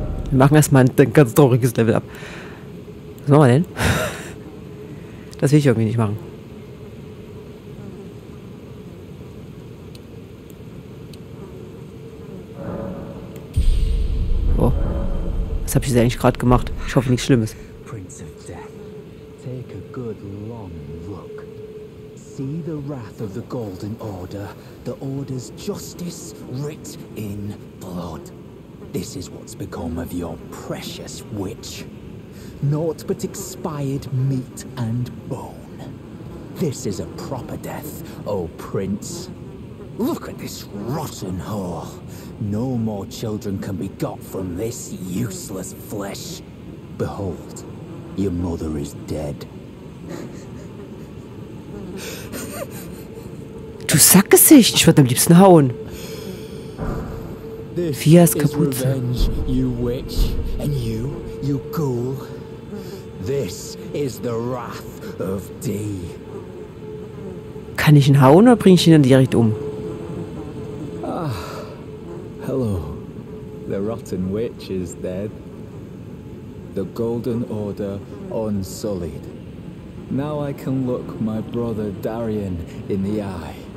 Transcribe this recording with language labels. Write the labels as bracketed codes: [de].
[de] Wir machen erstmal ein ganz trauriges Level up. Was machen wir denn? Das will ich irgendwie nicht machen. Oh. Was habe ich jetzt eigentlich gerade gemacht? Ich hoffe, nichts Schlimmes. [en] Prince of Death, take a good long look. See the wrath of the Golden Order, the Order's justice writ in blood. This is what's become of your precious witch. Naught but expired meat and bone. This is a proper death, oh prince. Look at this rotten hole. No more children can be got from this useless flesh. Behold, your mother is dead. [de] Du Sackgesicht, ich würde am liebsten hauen. Fias Kapuze. [en] You witch, and you, you ghoul. This is the wrath of D. [de] Kann ich ihn hauen oder bringe ich ihn dann direkt um? [en] Ah, hello. The rotten witch is dead. The Golden Order unsullied. Now I can look my brother Darien in the eye.